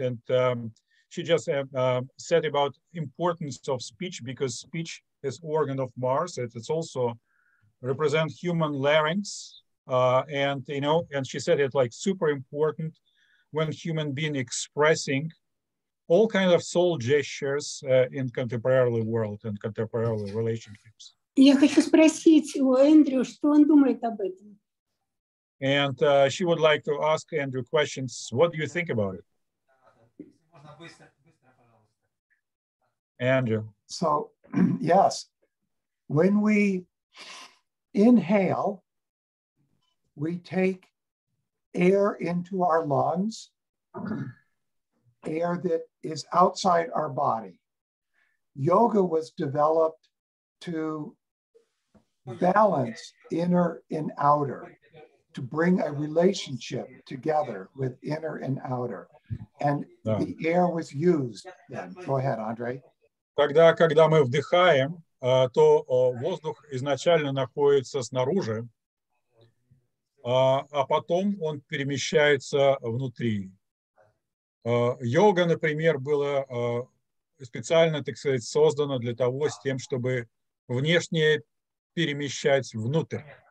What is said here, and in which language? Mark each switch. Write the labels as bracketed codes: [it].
[en] And she just said about importance of speech because speech is organ of Mars. It's also represent human larynx. And, you know, and she said it like super important when human being expressing all kind of soul gestures in contemporary world and contemporary relationships. [ru] Я хочу спросить у Эндрю, что он думает об этом. [en] And she would like to ask Andrew questions. What do you think about it? Andrew. So, yes, when we inhale, we take air into our lungs, air that is outside our body. Yoga was developed to balance inner and outer, to bring a relationship together with inner and outer. And the air was used then. Go ahead, Andre. [ru] Когда мы вдыхаем, то воздух изначально находится снаружи, а потом он перемещается внутри. Йога, например, была специально, так сказать, создана для того, с тем, чтобы внешнее перемещать внутрь.